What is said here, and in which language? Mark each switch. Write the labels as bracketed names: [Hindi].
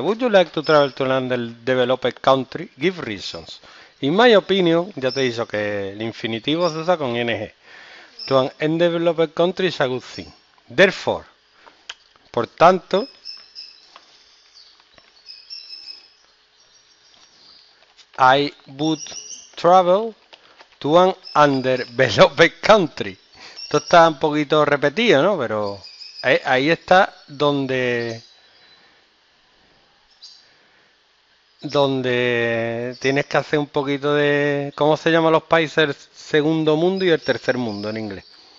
[English] Would you like to travel to land del developed country? Give reasons. In my opinion, [Spanish] ya te he dicho que el infinitivo se usa con ing. [English] To an undeveloped country is a good thing. Therefore, [Spanish] por tanto, [English] I would travel to an underdeveloped country. [Spanish] Esto está un poquito repetido, ¿no? Pero ahí está donde tienes que hacer un poquito de, ¿cómo se llaman los países? El segundo mundo y el tercer mundo en inglés.